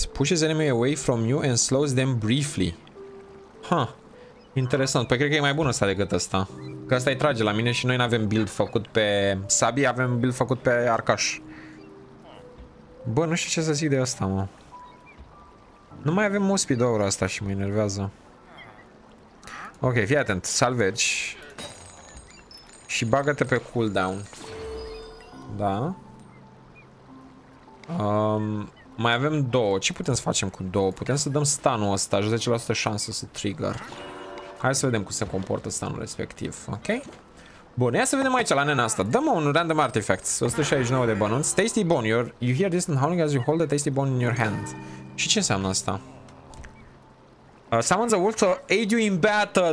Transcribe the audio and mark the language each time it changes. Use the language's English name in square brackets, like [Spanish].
[English] Pushes enemy away from you and slows them briefly. [Romanian] Huh. Interesant. Păi cred că e mai bun ăsta decât ăsta. Că ăsta îi trage la mine și noi n-avem build făcut pe Sabi, avem build făcut pe Arcaș. Bă, nu știu ce să zic de ăsta, mă. Nu mai avem muspid aura asta și mă enervează. Ok, fii atent. Salvage. Și bagă-te pe cooldown. Da. Mai avem două. Ce putem să facem cu două? Putem să dăm stun-ul ăsta. 10% șansă să trigger. Hai să vedem cum se comportă stun-ul respectiv, ok? Bun, ia să vedem aici la nena asta. Dă-mă un random artifact. 169 de bănunți. Tasty bone. [English] You hear distant howling as you hold a tasty bone in your hand. [Romanian] Și ce înseamnă asta? [English] Summon the wolf to aid you in battle.